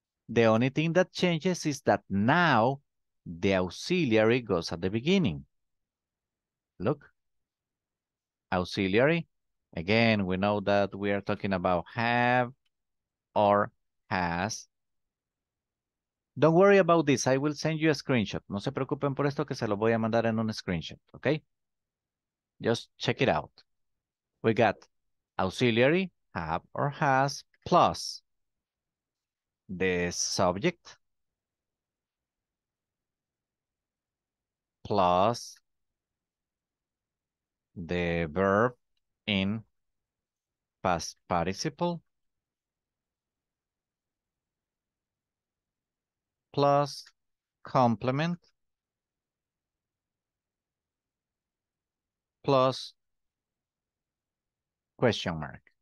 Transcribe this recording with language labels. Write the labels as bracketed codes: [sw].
[en] The only thing that changes is that now the auxiliary goes at the beginning. Look. Auxiliary. Again, we know that we are talking about have or has. Don't worry about this. I will send you a screenshot. [es] No se preocupen por esto que se lo voy a mandar en un screenshot. [en] Okay? Just check it out. We got auxiliary, have or has, plus the subject, plus the verb in past participle, plus complement, plus question mark.